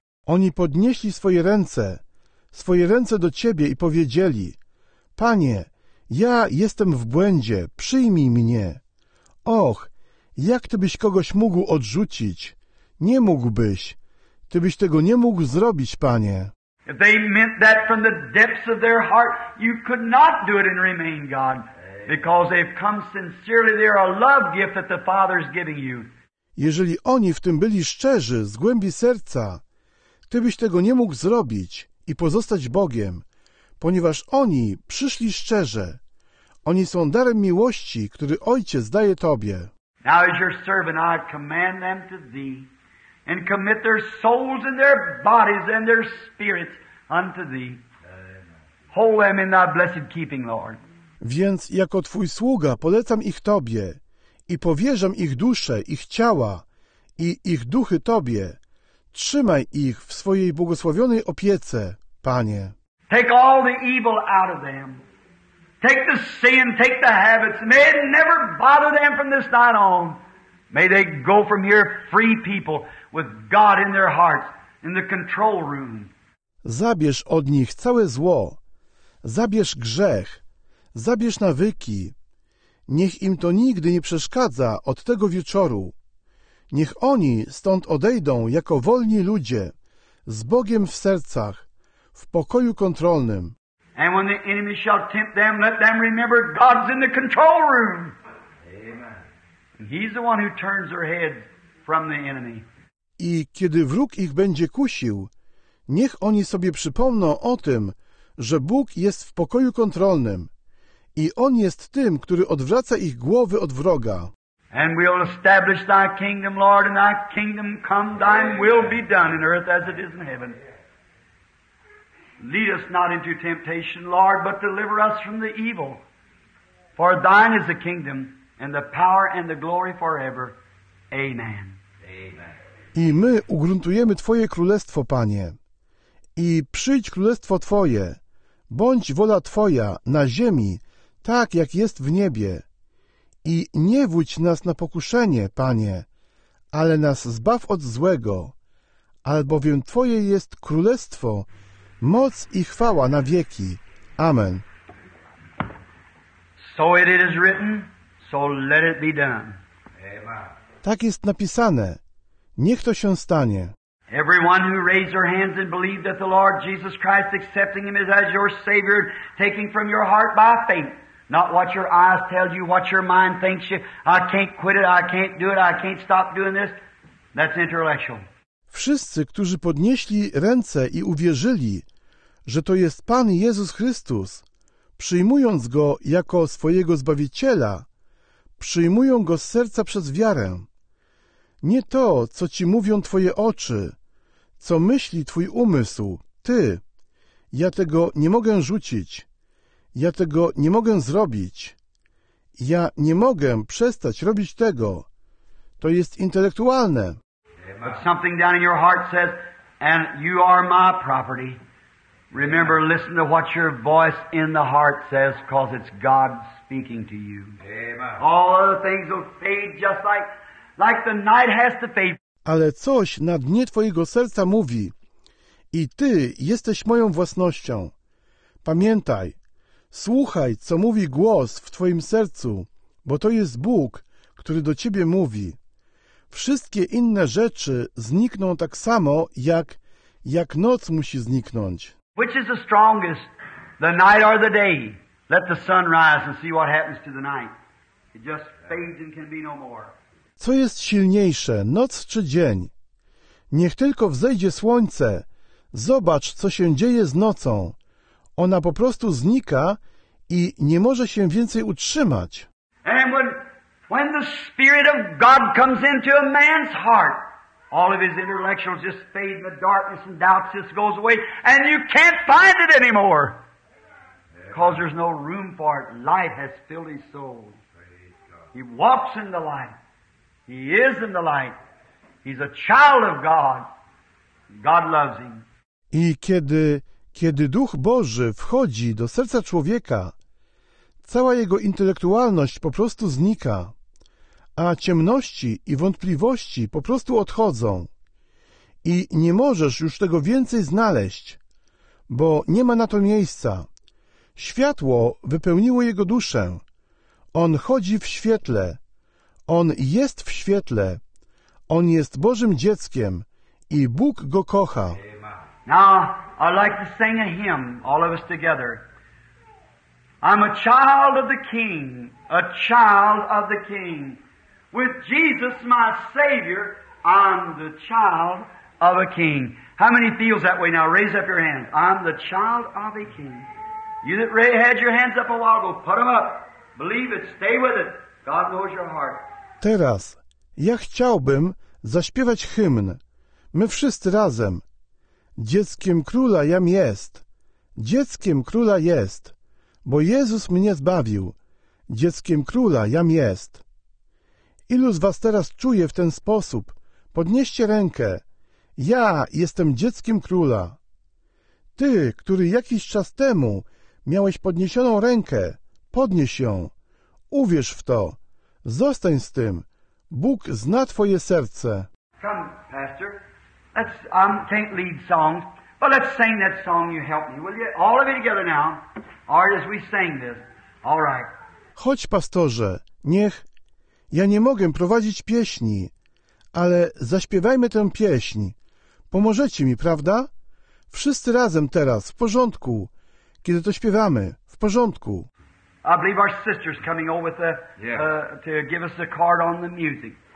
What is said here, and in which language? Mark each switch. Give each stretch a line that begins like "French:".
Polish: Oni podnieśli swoje ręce do Ciebie i powiedzieli, Panie, ja jestem w błędzie, przyjmij mnie. Och, jak Ty byś kogoś mógł odrzucić? Nie mógłbyś. Ty byś tego nie mógł zrobić, Panie.
English: If they meant that from the depths of their heart, you could not do it and remain God. Because they've come sincerely, they're a love gift that the Father is giving you.
Polish: Jeżeli oni w tym byli szczerzy, z głębi serca, Ty byś tego nie mógł zrobić i pozostać Bogiem, ponieważ oni przyszli szczerze. Oni są darem miłości, który Ojciec daje Tobie.
English: Now as your servant, I command them to Thee and commit their souls and their bodies and their spirits unto Thee. Hold them in Thy blessed keeping, Lord.
Polish: Więc jako Twój sługa polecam ich Tobie i powierzam ich dusze, ich ciała i ich duchy Tobie. Trzymaj ich w swojej błogosławionej opiece, Panie.
English: Take all the evil out of them. Take the sin, take the habits. May it never bother them from this night on. May they go from here free people with God in their hearts, in the control room.
Polish: Zabierz od nich całe zło. Zabierz grzech. Zabierz nawyki. Niech im to nigdy nie przeszkadza od tego wieczoru. Niech oni stąd odejdą jako wolni ludzie, z Bogiem w sercach, w pokoju kontrolnym.
English: And when the enemy shall tempt them, let them remember God's in the control room. Amen. He's the one who turns their head from the enemy.
Polish: I kiedy wróg ich będzie kusił, niech oni sobie przypomną o tym, że Bóg jest w pokoju kontrolnym i On jest tym, który odwraca ich głowy od wroga.
English: And we'll establish thy kingdom, Lord, and thy kingdom come, thy will be done in earth as it is in heaven. Lead us not into temptation, Lord, but deliver us from the evil. For thine is the kingdom, and the power, and the glory forever. Amen. Amen.
Polish: I my ugruntujemy Twoje królestwo, Panie. I przyjdź królestwo Twoje. Bądź wola Twoja na ziemi, tak jak jest w niebie. I nie wódź nas na pokuszenie, Panie, ale nas zbaw od złego, albowiem Twoje jest królestwo, moc i chwała na wieki. Amen.
English: So it is written, so let it be done. Amen.
Polish: Tak jest napisane. Niech to się stanie.
English: Everyone who raised their hands and believed that the Lord Jesus Christ accepting Him as your Savior, taking from your heart by faith. Not what your eyes tell you, what your mind thinks you. I can't quit it, I can't do it, I can't stop doing this. That's intellectual.
Polish: Wszyscy, którzy podnieśli ręce i uwierzyli, że to jest Pan Jezus Chrystus, przyjmując Go jako swojego Zbawiciela, przyjmują Go z serca przez wiarę. Nie to, co Ci mówią Twoje oczy, co myśli Twój umysł, Ty. Ja tego nie mogę rzucić. Ja tego nie mogę zrobić. Ja nie mogę przestać robić tego. To jest intelektualne.
English: But something down in your heart says, and you are my property. Remember, listen to what your voice in the heart says, because it's God speaking to you. Amen. All other things will fade just like the night has to fade.
Polish: Ale coś na dnie twojego serca mówi, i ty jesteś moją własnością. Pamiętaj, słuchaj, co mówi głos w twoim sercu, bo to jest Bóg, który do ciebie mówi. Wszystkie inne rzeczy znikną tak samo, jak noc musi zniknąć.
English: Which is the strongest, the night or the day? Let the sun rise and see what happens to the night. It just fades and can be no more.
Polish: Co jest silniejsze, noc czy dzień? Niech tylko wzejdzie słońce. Zobacz, co się dzieje z nocą. Ona po prostu znika i nie może się więcej utrzymać.
English: And when the Spirit of God comes into a man's heart, all of his intellectuals just fade in the darkness and doubts just goes away, and you can't find it anymore. Because there's no room for it. Light has filled his soul. He walks in the light. He is in the light. He's a child of God. God loves him.
Polish: I kiedy Duch Boży wchodzi do serca człowieka, cała jego intelektualność po prostu znika, a ciemności i wątpliwości po prostu odchodzą. I nie możesz już tego więcej znaleźć, bo nie ma na to miejsca. Światło wypełniło jego duszę. On chodzi w świetle. On jest w świetle. On jest Bożym dzieckiem i Bóg go kocha.
English: Now, I'd like to sing a hymn, all of us together. I'm a child of the King, a child of the King. With Jesus, my Savior, I'm the child of a King. How many feels that way now? Raise up your hands. I'm the child of a King. You that had your hands up a while ago, put them up. Believe it. Stay with it. God knows your heart.
Polish: Teraz ja chciałbym zaśpiewać hymn. My wszyscy razem. Dzieckiem Króla jam jest. Dzieckiem Króla jest. Bo Jezus mnie zbawił. Dzieckiem Króla jam jest. Ilu z was teraz czuje w ten sposób? Podnieście rękę. Ja jestem dzieckiem Króla. Ty, który jakiś czas temu miałeś podniesioną rękę, podnieś ją. Uwierz w to. Zostań z tym. Bóg zna twoje serce.
English: Come, pastor. I can't lead songs, but let's sing that song you helped me, will you? All of you together now. Art, as we sing this. All right.
Polish: Chodź, pastorze. Niech... Ja nie mogę prowadzić pieśni, ale zaśpiewajmy tę pieśń. Pomożecie mi, prawda? Wszyscy razem teraz, w porządku. Kiedy to śpiewamy, w porządku.
English: I believe our sister's coming over with to give us a card on the music.